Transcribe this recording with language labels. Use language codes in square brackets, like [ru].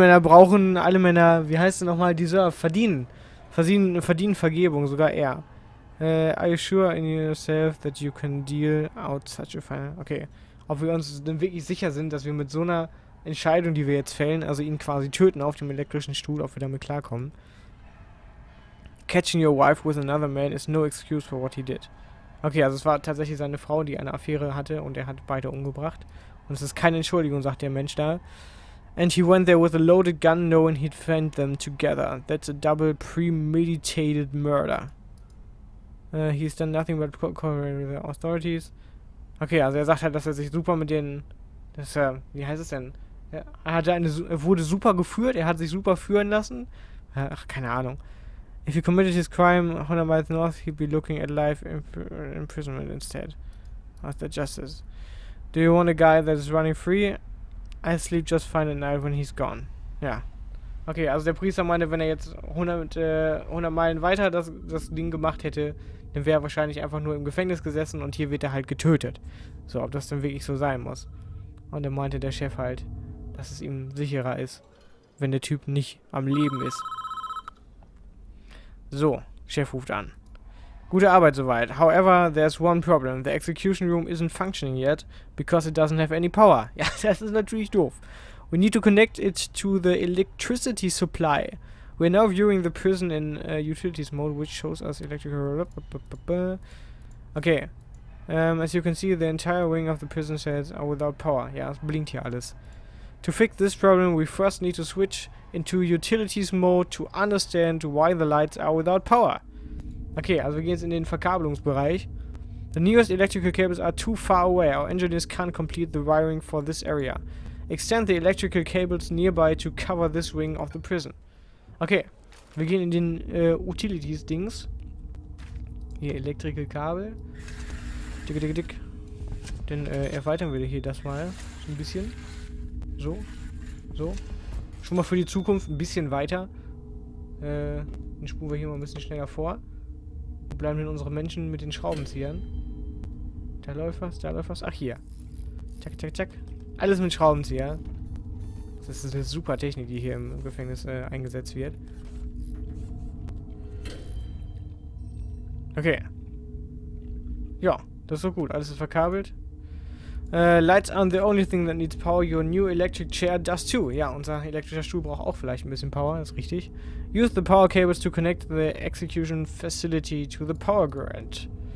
[de] Alle Männer, wie heißt es nochmal, deserve, verdienen Vergebung, sogar er. [en] Are you sure in yourself that you can deal out such a final? [de] Okay, ob wir uns denn wirklich sicher sind, dass wir mit so einer Entscheidung, die wir jetzt fällen, also ihn quasi töten auf dem elektrischen Stuhl, ob wir damit klarkommen. [en] Catching your wife with another man is no excuse for what he did. [de] Okay, also es war tatsächlich seine Frau, die eine Affäre hatte und er hat beide umgebracht. Und es ist keine Entschuldigung, sagt der Mensch da. [en] And he went there with a loaded gun knowing he'd find them together. That's a double premeditated murder. He's done nothing but cooperate with the authorities. [de] Okay, also er sagt halt, dass er sich super mit den... wie heißt es denn? Er wurde super geführt, er hat sich super führen lassen. Ach, keine Ahnung. [en] If he committed his crime 100 miles north, he'd be looking at life imprisonment instead. After justice. Do you want a guy that is running free? I sleep just fine at night when he's gone. [de] Ja. Okay, also der Priester meinte, wenn er jetzt 100 Meilen weiter das Ding gemacht hätte, dann wäre er wahrscheinlich einfach nur im Gefängnis gesessen und hier wird er halt getötet. So, ob das denn wirklich so sein muss. Und dann meinte der Chef halt, dass es ihm sicherer ist, wenn der Typ nicht am Leben ist. So, Chef ruft an. Gute Arbeit soweit. [en] However, there's one problem. The execution room isn't functioning yet, because it doesn't have any power. [de] Ja, das ist natürlich doof. [en] We need to connect it to the electricity supply. We're now viewing the prison in utilities mode, which shows us electrical... Okay. As you can see, the entire wing of the prison cells are without power. [de] Ja, es blinkt hier alles. [en] To fix this problem, we first need to switch into utilities mode to understand why the lights are without power. [de] Okay, also wir gehen jetzt in den Verkabelungsbereich. [en] The nearest electrical cables are too far away. Our engineers can't complete the wiring for this area. Extend the electrical cables nearby to cover this wing of the prison. [de] Okay, wir gehen in den Utilities-Dings. Hier, electrical Kabel. Dick. Dann erweitern wir hier das mal so ein bisschen. So. Schon mal für die Zukunft ein bisschen weiter. Dann spulen wir hier mal ein bisschen schneller vor. Wo bleiben denn unsere Menschen mit den Schraubenziehern? Da läuft was. Ach, hier. Tack. Alles mit Schraubenzieher. Das ist eine super Technik, die hier im Gefängnis eingesetzt wird. Okay. Ja, das ist so gut. Alles ist verkabelt. [en] Lights aren't the only thing that needs power. Your new electric chair does too. [de] Ja, unser elektrischer Stuhl braucht auch vielleicht ein bisschen Power, ist richtig. [en] Use the power cables to connect the execution facility to the power grid.